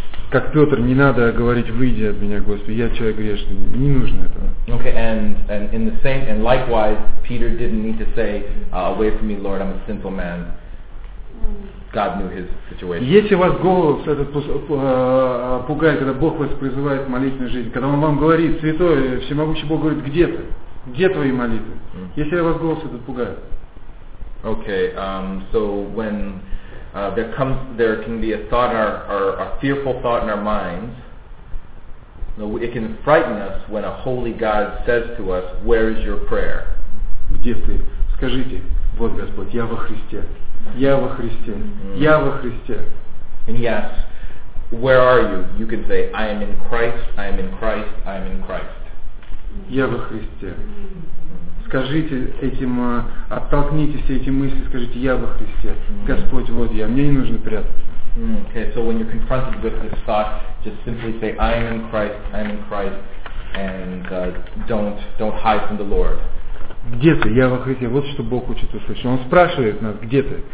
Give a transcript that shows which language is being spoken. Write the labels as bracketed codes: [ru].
[ru] Как Петр, не надо говорить, выйди от меня, Господи, я человек грешный. Не нужно этого. [en] Okay, and in the same, and likewise, Peter didn't need to say, away from me, Lord, I'm a sinful man. God knew his situation. [ru] Если вас голос этот пугает, когда Бог вас призывает в молитвенную жизнь, когда Он вам говорит, святой, всемогущий Бог говорит, где ты? Где твои молитвы? Mm-hmm. Если вас голос этот пугает. [en] Okay, so when there can be a thought or a fearful thought in our minds, it can frighten us when a holy God says to us, "Where is your prayer?" [ru] Где ты? Скажите, вот Господь, я во Христе, я во Христе, я во Христе. [en] And yes, where are you? You can say, "I am in Christ, I am in Christ, I am in Christ." [ru] Я во Христе. Скажите этим, оттолкните все эти мысли, скажите, я во Христе, Господь, вот я, мне не нужно прятаться. [en] Okay, so when you're confronted with this thought, just simply say, I am in Christ, and don't hide from the Lord. [ru] Где ты? Я во Христе. Вот что Бог учит услышать. Он спрашивает нас, где ты?